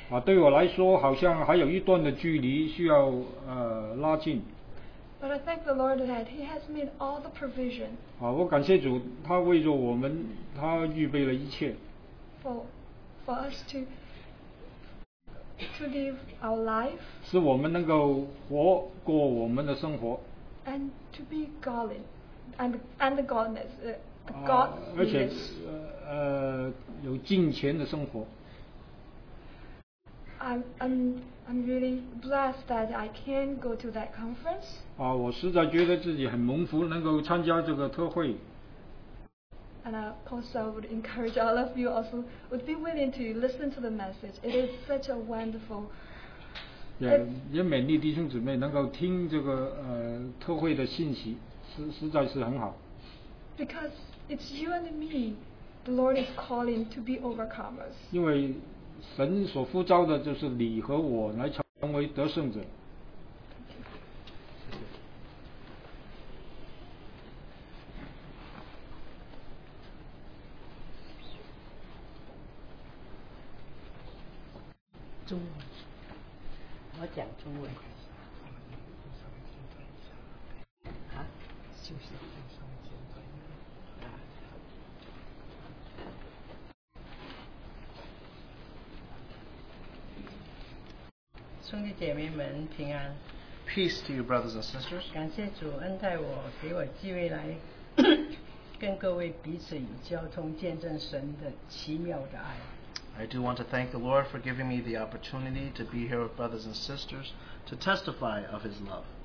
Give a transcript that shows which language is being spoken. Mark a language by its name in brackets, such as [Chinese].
[Chinese] 对我来说好像还有一段的距离需要拉近。 [English] But I thank the Lord that He has made all the provision. [Chinese] 我感谢主，他为着我们，他预备了一切。 [English] For us to live our life. [Chinese] 使我们能够活过我们的生活。 [English] And to be godly, and the godness, the godliness. [Chinese] 而且有敬虔的生活。 [English] I'm really blessed that I can go to that conference. [Chinese] 我实在觉得自己很蒙福，能够参加这个特会。 [English] And of course, I would encourage all of you also would be willing to listen to the message. It is such a wonderful. [Chinese] 也勉励弟兄姊妹能够听这个特会的信息，实在是很好。 [English] Because it's you and me, the Lord is calling to be overcomers. [Chinese] 因为神所呼召的就是你和我来成为得胜者。中文。我讲中文。兄弟姐妹们平安。 [English] Peace to you, brothers and sisters. [Chinese] 感谢主恩待我，给我机会来跟各位彼此与交通见证神的奇妙的爱。 [English] I do want to thank the Lord for giving me the opportunity to be here with brothers and sisters to testify of His love.